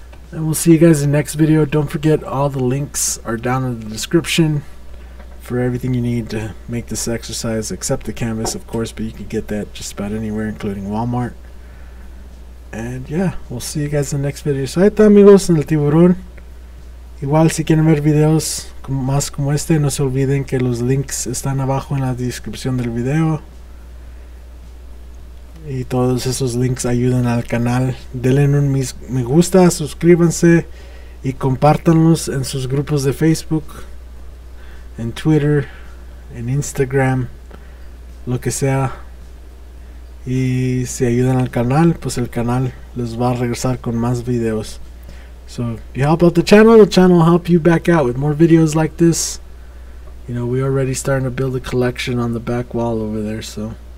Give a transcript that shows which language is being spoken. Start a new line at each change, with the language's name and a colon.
English: And we'll see you guys in the next video. Don't forget, all the links are down in the description for everything you need to make this exercise, except the canvas, of course, but you can get that just about anywhere, including Walmart. And yeah, we'll see you guys in the next video.
Spanish: So ahí está, amigos, en el tiburón. Igual, si quieren ver videos más como este, no se olviden que los links están abajo en la descripción del video. Y todos esos links ayudan al canal. Denle un me gusta, suscríbanse y compártanlos en sus grupos de Facebook, en Twitter, en Instagram, lo que sea. Y si ayudan al canal, pues el canal les va a regresar con más videos.
English: So, if you help out the channel will help you back out with more videos like this. You know, we're already starting to build a collection on the back wall over there, so.